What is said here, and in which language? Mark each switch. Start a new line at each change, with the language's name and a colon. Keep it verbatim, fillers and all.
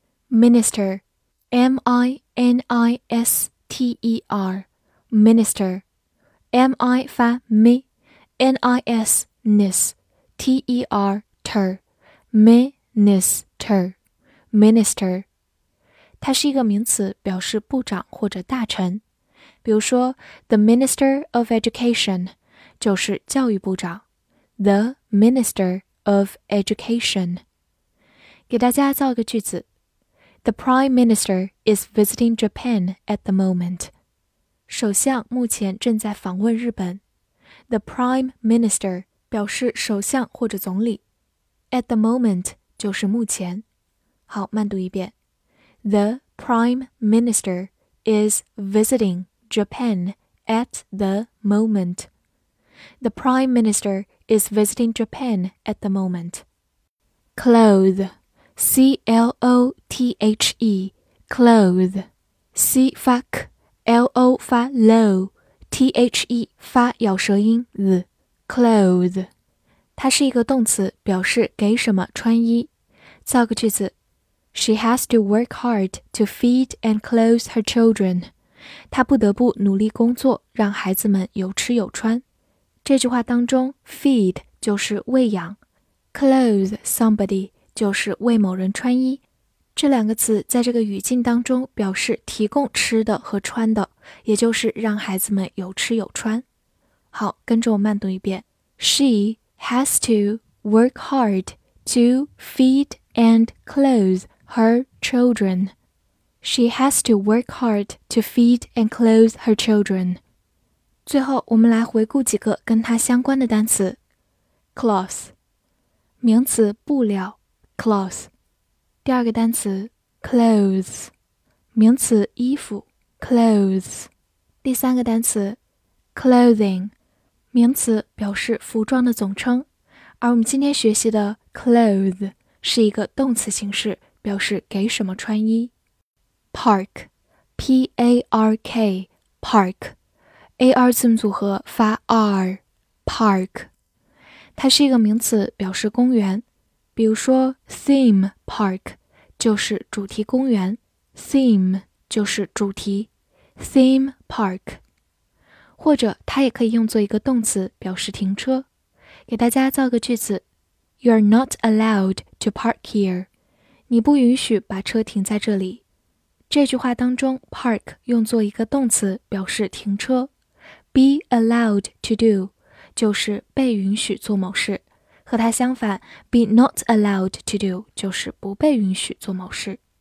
English: Minister, M I N I S T E R, Minister, M I 发 mi, N I S nis, T E R ter, Minister, Minister。
Chinese: 它是一个名词，表示部长或者大臣。比如说
English: The Minister of Education
Chinese: 就是教育部长， The Minister of Education。给大家造一个句子。
English: The Prime Minister is visiting Japan at the moment.
Chinese: 首相目前正在访问日本。
English: The Prime Minister
Chinese: 表示首相或者总理，
English: at the moment
Chinese: 就是目前。好，慢读一遍。
English: The Prime Minister is visiting Japan at the moment. The Prime Minister is visiting Japan at the moment. Clothe, C L O T H E, clothe. C 发 k, L O 发 low, T H E 发咬舌音 the, clothe.
Chinese: 它是一个动词，表示给什么穿衣。造个句子。
English: She has to work hard to feed and clothe her children.
Chinese: 她不得不努力工作，让孩子们有吃有穿。这句话当中 feed 就是喂养，
English: clothe somebody
Chinese: 就是为某人穿衣。这两个词在这个语境当中表示提供吃的和穿的，也就是让孩子们有吃有穿。好，跟着我慢读一遍。
English: She has to work hard to feed and clothe her children. She has to work hard to feed and clothe her children.
Chinese: 最后我们来回顾几个跟它相关的单词。Cloth 名词，布料 Cloth。第二个单词 Clothes 名词，衣服 Clothes。第三个单词 Clothing 名词，表示服装的总称。而我们今天学习的 Clothe是一个动词形式，表示给什么穿衣。
English: Park, P A R K, park, A R 字母组合发 R, park。
Chinese: 它是一个名词，表示公园。比如说
English: theme park
Chinese: 就是主题公园， theme 就是主题， theme park。或者它也可以用作一个动词，表示停车。给大家造个句子。
English: You are not allowed to park here.
Chinese: 你不允许把车停在这里。这句话当中 park 用作一个动词，表示停车。
English: Be allowed to do
Chinese: 就是被允许做某事，和它相反
English: be not allowed to do
Chinese: 就是不被允许做某事。